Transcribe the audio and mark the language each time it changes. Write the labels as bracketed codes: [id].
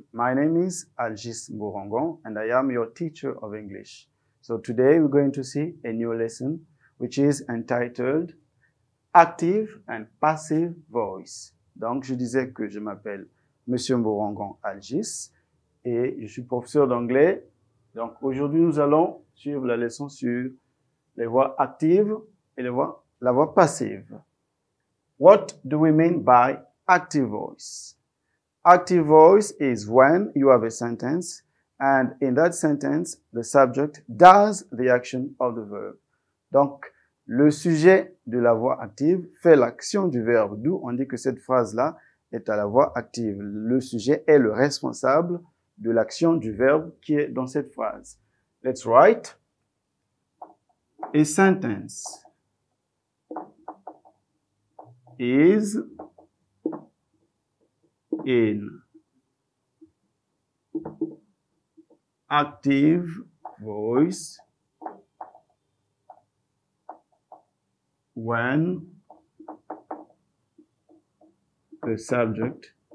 [en] My name is Algis Mborongon and I am your teacher of English. So today we're going to see a new lesson which is entitled Active and Passive Voice. [fr] Donc je disais que je m'appelle Monsieur Mborongon Algis et je suis professeur d'anglais. Donc aujourd'hui nous allons suivre la leçon sur les voix actives et la voix passive. [en] What do we mean by active voice? Active voice is when you have a sentence and in that sentence, the subject does the action of the verb. [fr] Donc, le sujet de la voix active fait l'action du verbe. D'où on dit que cette phrase-là est à la voix active. Le sujet est le responsable de l'action du verbe qui est dans cette phrase. [en] Let's write a sentence is in active voice when the subject